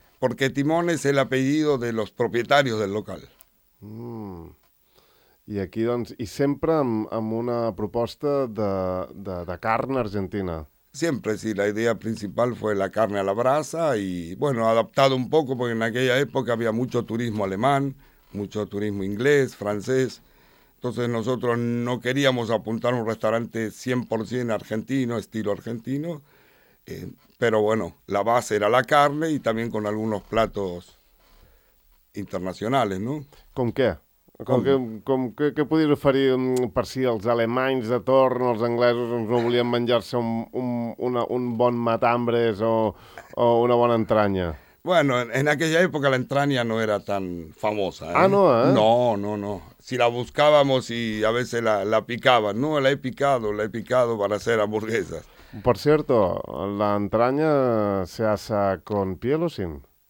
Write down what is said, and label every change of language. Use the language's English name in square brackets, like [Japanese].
[Spanish] Porque Timón es el apellido de los propietarios del local. Mm. [Catalan] I aquí, doncs, i sempre amb una proposta de carn argentina. [Spanish] Siempre, sí. La idea principal fue la carne a la brasa y, bueno, adaptado un poco, porque en aquella época había mucho turismo alemán, mucho turismo inglés, francés... Entonces nosotros no queríamos apuntar un restaurante 100% argentino, estilo argentino, pero bueno, la base era la carne y también con algunos platos internacionales, ¿no? ¿Con qué? [Catalan] ¿Qué podies oferir per si els alemanys de torn, els anglesos, no volien menjar-se un bon matambres o una bona entranya? [Spanish] Bueno, en aquella época la entraña no era tan famosa. ¿Eh? Ah, no, ¿eh? No, no, no. Si la buscábamos y a veces la picaban. No, la he picado para hacer hamburguesas. Por cierto, ¿la entraña se hace con piel o sin?